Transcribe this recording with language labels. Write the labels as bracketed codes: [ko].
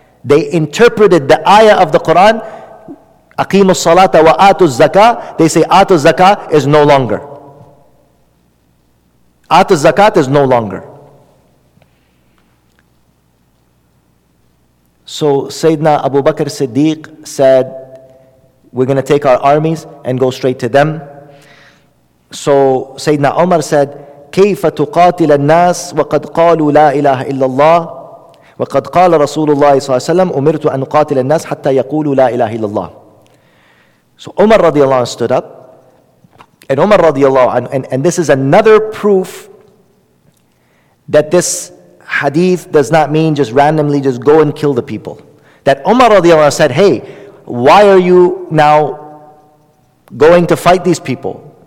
[en] They interpreted the ayah of the Quran, [ar] aqimus salata wa atu zakat, [en] they say atu zakat is no longer. Atu zakat is no longer. So Sayyidina Abu Bakr Siddiq said, we're going to take our armies and go straight to them. So Sayyidina Umar said, [ar] كيف تقاتل الناس وقد قالوا لا إله إلا الله وقد قال رسول الله صلى الله عليه وسلم أمرت أن قاتل الناس حتى يقولوا لا إله إلا الله. [en] So Umar radiallahu anhu stood up. And Umar radiallahu anhu, and this is another proof that this hadith does not mean just randomly just go and kill the people. That Umar radiallahu anhu said, hey, why are you now going to fight these people?